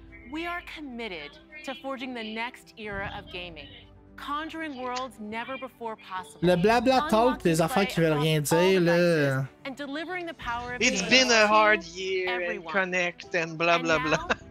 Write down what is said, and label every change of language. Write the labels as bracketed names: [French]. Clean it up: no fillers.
[English] We are committed to forging the next era of gaming. Conjuring worlds never before possible. [French] Le blabla talk des affaires qui veulent rien dire là. [English] It's been a hard year and connect and blah blah blah.